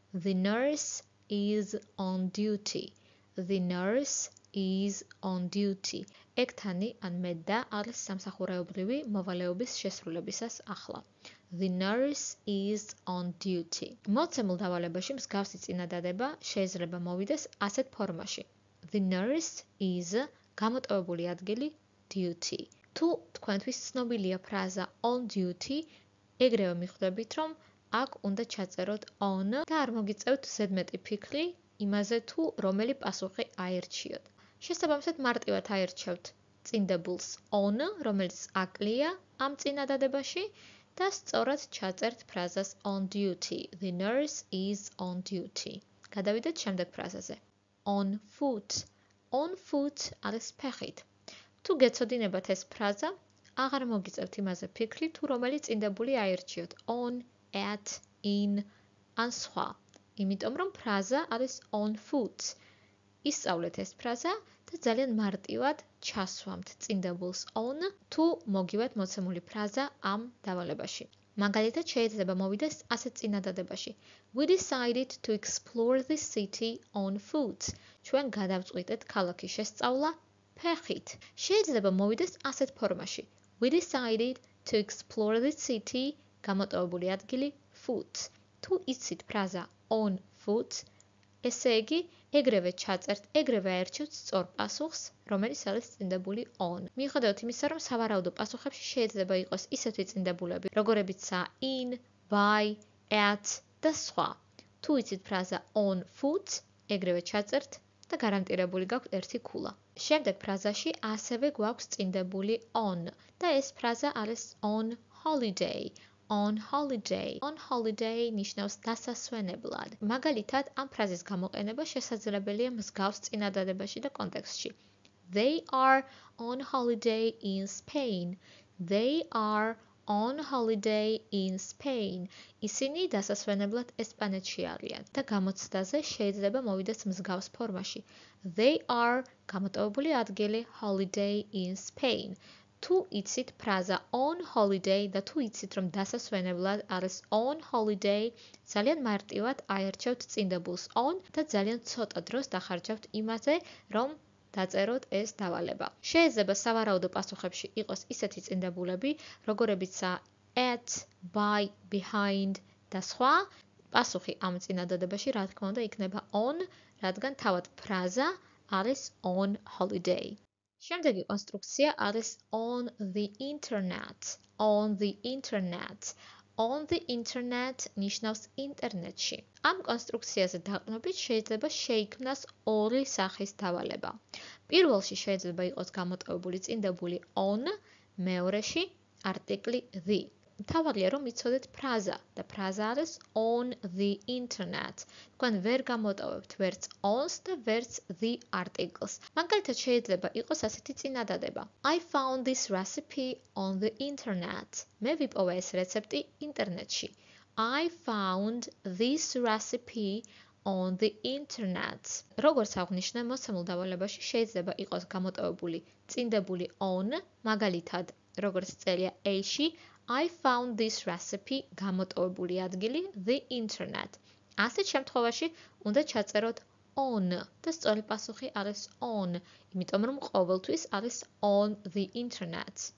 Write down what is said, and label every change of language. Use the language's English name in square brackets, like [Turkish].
[English] The nurse is on duty. The nurse is on duty. [Georgian] ექთანი ან მედა არის სამსახურებრივი მოვალეობის შესრულებისას ახლა. [English] The nurse is on duty. [Georgian] მოცემულ დავალებაში მსგავსი წინადადება შეიძლება მოვიდეს ასეთ ფორმაში. [English] The nurse is [Georgian] გამოტოვებული ადგილი [English] duty. [Georgian] თუ თქვენთვის ცნობილია ფრაზა on duty, ეგრევე მიხვდებით, რომ აქ უნდა ჩაწეროთ on და არ მოგიწევთ ზედმეტი ფიქრი იმაზე, თუ რომელი პასუხი აერჩიოთ. შესაბამისად მარტივად აერჩევთ წინდებულს on, რომელიც აკლია ამ წინადადებაში და სწორად ჩაწერთ ფრაზას on duty. [English] The nurse is on duty. [Georgian] გადავიდეთ შემდეგ ფრაზაზე. [English] On foot. [Georgian] On foot არის ფეხით. თუ გეცოდინებათ ეს ფრაზა, აღარ მოგიწევთ იმაზე ფიქრი, თუ რომელი წინდებული აერჩიოთ. [English] On, at, in [Georgian] ან სხვა. იმიტომ რომ ფრაზა არის on foot. ისწავლეთ ეს ფრაზა და ძალიან მარტივად ჩასვამთ წინდებულს on, თუ მოგივათ მოცემული ფრაზა ამ დავალებაში. მაგალითად შეიძლება მოვიდეს ასეთ წინადადებაში. [English] We decided to explore the city on foot. [Georgian] ჩვენ გადავწყვიტეთ ქალაქის შესწავლა ფეხით. შეიძლება მოვიდეს ასეთ ფორმაში. [English] We decided to explore the city [Georgian] გამოტოვებული ადგილი [English] foot. [Georgian] თუ იცით ფრაზა on foot, ესე იგი, ეგრევე ჩაწერთ, ეგრევე აერჩევთ სწორ პასუხს, რომელიც არის წინდებული on. მიხედავთ იმისა, რომ სავარაუდო პასუხებში შეიძლება იყოს ისეთი წინდებულები, როგორებიცაა in, by, at და სხვა. თუ იცით ფრაზა on foot, ეგრევე ჩაწერთ და გარანტირებული გაქვთ ერთი ქულა. შემდეგ ფრაზაში ასევე გვაქვს წინდებული on და ეს ფრაზა არის on holiday. [English] On holiday. On holiday [Georgian] ნიშნავს დასასვენებლად. მაგალითად, ამ ფრაზის გამოყენება შესაძლებელია მსგავს წინადადებაში და კონტექსტში. [English] They are on holiday in Spain. They are on holiday in Spain. [Georgian] ისინი დასასვენებლად ესპანეთში არიან და გამოცდაზე შეიძლება მოვიდეს მსგავს ფორმაში. [English] They are [Georgian] გამოტოვებული ადგილი [English] holiday in Spain. [Georgian] თუ იცით ფრაზა on holiday და თუ იცით, რომ დასასვენებლად არის on holiday, ძალიან მარტივად აერჩევთ წინდებულს on და ძალიან ცოტა დროს დახარჯავთ იმაზე, რომ დაწეროთ ეს დავალება. შეიძლება სავარაუდო პასუხებში იყოს ისეთი წინდებულები, როგორებიცაა at, by, behind და სხვა. პასუხი ამ წინადადებაში რა თქმა უნდა იქნება on, რადგან თავად ფრაზა არის on holiday. შემდეგი კონსტრუქცია არის on the internet. [English] On the internet. On the internet [Georgian] ნიშნავს ინტერნეტში. ამ კონსტრუქციაზე დაყრდნობით შეიძლება შეიქმნას ორი სახის დავალება. პირველში შეიძლება იყოს გამოტოვებული წინდებული on, მეორეში არტიკლი the. მთავარია, რომ იცოდეთ ფრაზა და ფრაზა არის on the internet. თქვენ ვერ გამოტოვებთ ვერც on-ს და ვერც the article-ს. მაგალითად შეიძლება იყოს ასეთი წინადადება. [English] I found this recipe on the internet. [Georgian] მე ვიპოვე ეს რეცეპტი ინტერნეტში. [English] I found this recipe on the internet. [Georgian] როგორც აღნიშნე, მოცემულ დავალებაში შეიძლება იყოს გამოტოვებული წინდებული on, მაგალითად, როგორც წერია A-ში, [English] I found this recipe [Georgian] გამოტოვებული ადგილი the internet. ასეთ შემთხვევაში უნდა ჩაწეროთ on და სწორი პასუხი არის on, იმიტომ რომ ყოველთვის არის on the internet.